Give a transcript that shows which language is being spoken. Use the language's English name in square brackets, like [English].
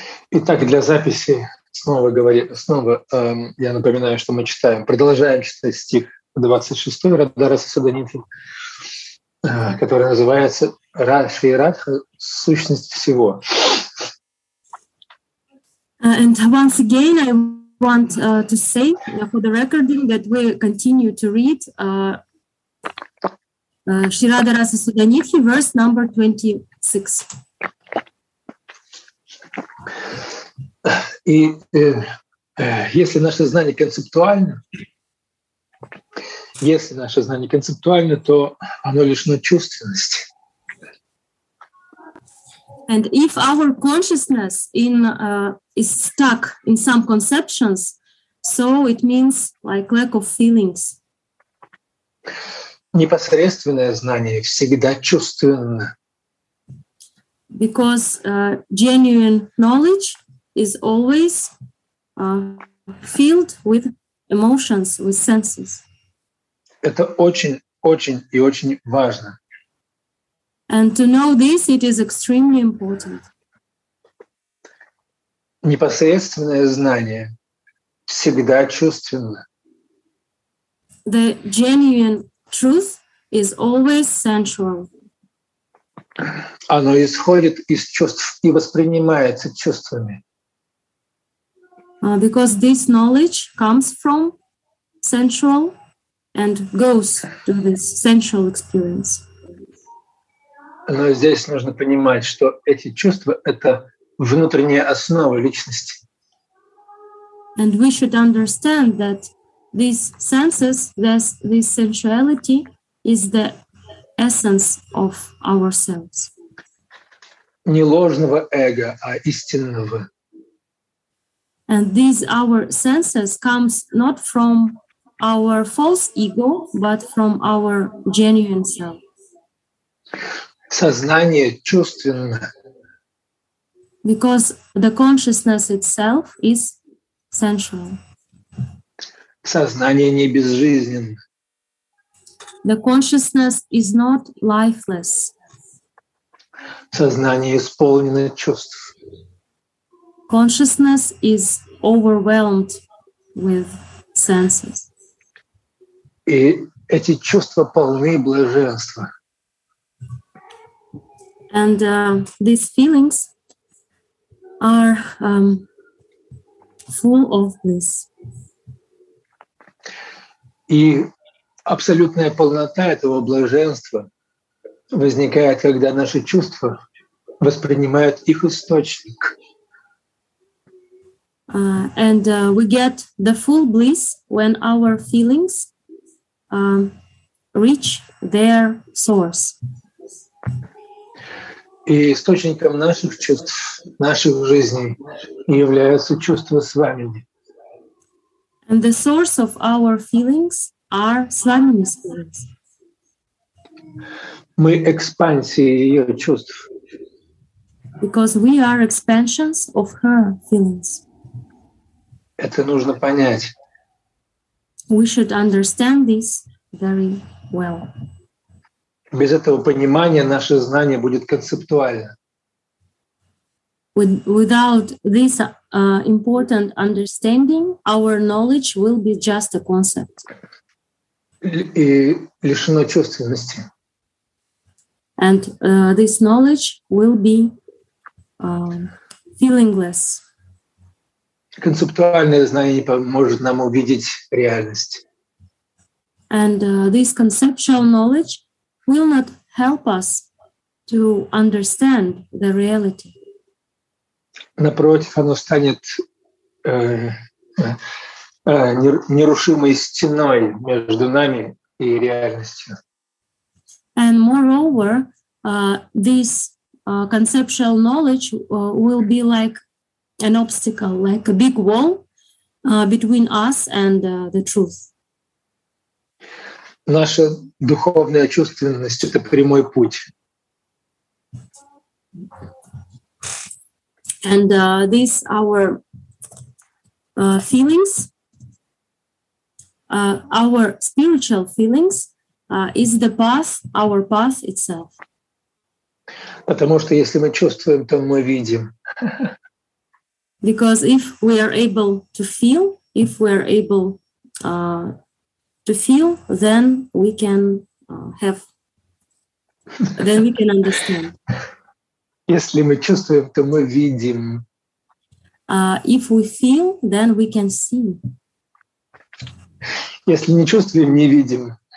[Russian] Итак, для записи снова говорим, я напоминаю, что мы читаем, продолжаем читать стих 26 Радара Сасаданитхи, который называется «Раши и Радха – сущность всего». [English] And once again, I want to say for the recording that we continue to read Shri Radha Rasa Sudanidhi, verse number 26. [Russian] И если наше знание концептуально, то оно лишь на чувственности. [English] And if our consciousness is stuck in some conceptions, so it means like lack of feelings. [Russian] Непосредственное знание всегда чувственно. [English] Because genuine knowledge is always filled with emotions, with senses. [Russian] Это очень-очень и очень важно. [English] And to know this, it is extremely important. [Russian] Непосредственное знание всегда чувственно. [English] The genuine truth is always sensual. [Russian] Оно исходит из чувств и воспринимается чувствами. [English] Because this knowledge comes from sensual and goes to this sensual experience. [Russian] Но здесь нужно понимать, что эти чувства — это внутренняя основа личности. [English] And we should understand that these senses, this sensuality is the essence of ourselves. [Russian] Не ложного эго, а истинного. [English] And these our senses comes not from our false ego, but from our genuine self. [Russian] Сознание чувственно. [English] Because the consciousness itself is sensual. [Russian] Сознание не безжизненно. [English] The consciousness is not lifeless. [Russian] Сознание исполнено чувств. [English] Consciousness is overwhelmed with senses. [Russian] И эти чувства полны блаженства. [English] And these feelings are full of bliss. [Russian] И абсолютная полнота этого блаженства возникает, когда наши чувства воспринимают их источник. [English] And we get the full bliss when our feelings reach their source. [Russian] И источником наших чувств, наших жизней являются чувства свамини. [English] And the source of our feelings are свамини spirits. [Russian] Мы экспансии ее чувств. [English] Because we are expansions of her feelings. [Russian] Это нужно понять. [English] We should understand this very well. [Russian] Без этого понимания наше знание будет концептуально. [English] Without this important understanding, our knowledge will be just a concept. [Russian] И лишено чувственности. [English] And this knowledge will be feelingless. [Russian] Концептуальное знание поможет нам увидеть реальность. [English] And this conceptual knowledge will not help us to understand the reality. [Russian] Напротив, оно станет нерушимой стеной между нами и реальностью. [English] And moreover, this conceptual knowledge will be like an obstacle, like a big wall between us and the truth. [Russian] Наша духовная чувственность — это прямой путь. [English] And these our feelings, our spiritual feelings, is the path, our path itself. [Russian] Потому что если мы чувствуем, то мы видим. [English] Because if we are able to feel, if we are able to feel, then we can have, then we can understand. [Russian] Если мы чувствуем, то мы видим. [English] If we feel, then we can see. [Russian] Если не чувствуем, не видим.